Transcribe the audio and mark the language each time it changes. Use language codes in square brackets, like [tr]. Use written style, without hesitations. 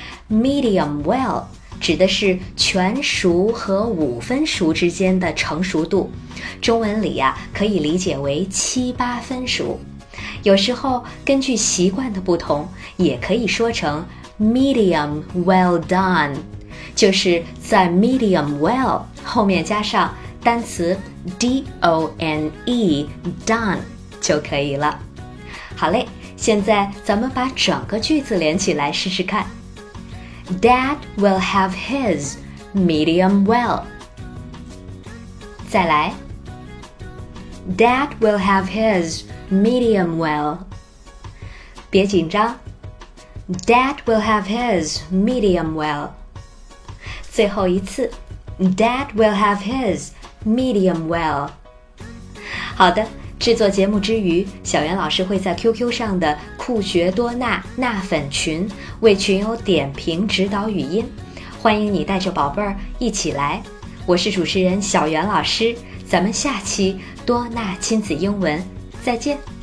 [zh] medium well指的是全熟和五分熟之间的成熟度，中文里可以理解为七八分熟，有时候根据习惯的不同也可以说成 medium well done， 就是在 medium well 后面加上单词 done done 就可以了。好嘞，现在咱们把整个句子连起来试试看。 [en] Dad will have his medium well. [zh] 再来。 [en] Dad will have his medium well. [zh] 别紧张。 [en] Dad will have his medium well. [zh] 最后一次。 [en] Dad will have his medium well. [zh] 好的，制作节目之余，小袁老师会在 QQ 上的酷学多纳纳粉群为群友点评指导语音，欢迎你带着宝贝儿一起来。我是主持人小袁老师，咱们下期多纳亲子英文再见。